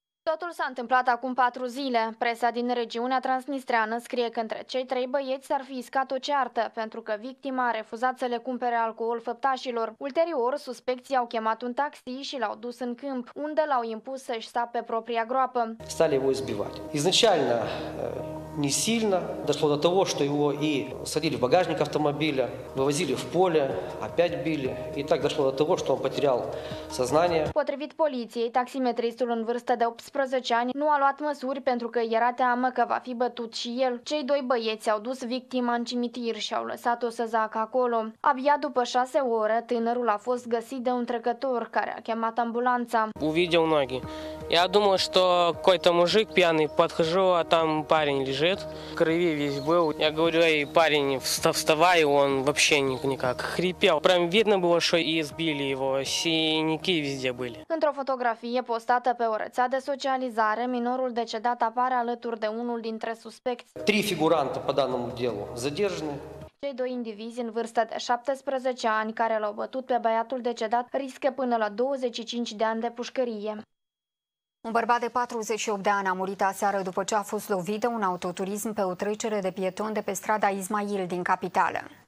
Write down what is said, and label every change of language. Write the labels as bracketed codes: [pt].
[ro] Totul s-a întâmplat acum 4 zile. Presa din regiunea transnistreană scrie că între cei trei băieți s-ar fi iscat o ceartă, pentru că victima a refuzat să le cumpere alcool făptașilor. Ulterior, suspecții au chemat un taxi și l-au dus în câmp, unde l-au impus să-și sta pe propria groapă. Stale voi zbivat. [ru] Изначально не сильно, дошло до того, что его и садили в багажник автомобиля, вывозили в поле, опять били, и так дошло до того, что он потерял сознание. [ro] Potrivit poliției, taximetristul în vârstă de 18 ani nu a luat măsuri pentru că era teamă că va fi bătut și el. Cei doi băieți au dus victima în cimitir și au lăsat-o să zacă acolo. Abia după 6 ore, tânărul a fost găsit de un trecător care a chemat ambulanța. [ru] Увидел ноги. Я думал, что какой-то мужик пьяный, подхожу, а там парень лежит, крови весь был. Я говорю: "Эй, парень, вставай", он вообще никак хрипел. Прям видно было, что и избили его, синяки везде были. [ro] Într-o fotografie postată pe o rețea de socializare, minorul decedat apare alături de unul dintre suspecți. [ru] Три фигуранта по данному делу задержаны. [ro] Cei doi indivizi în vârstă de 17 ani care l-au bătut pe băiatul decedat riscă până la 25 de ani de pușcărie. Un bărbat de 48 de ani a murit aseară după ce a fost lovit de un autoturism pe o trecere de pieton de pe strada Ismail din capitală.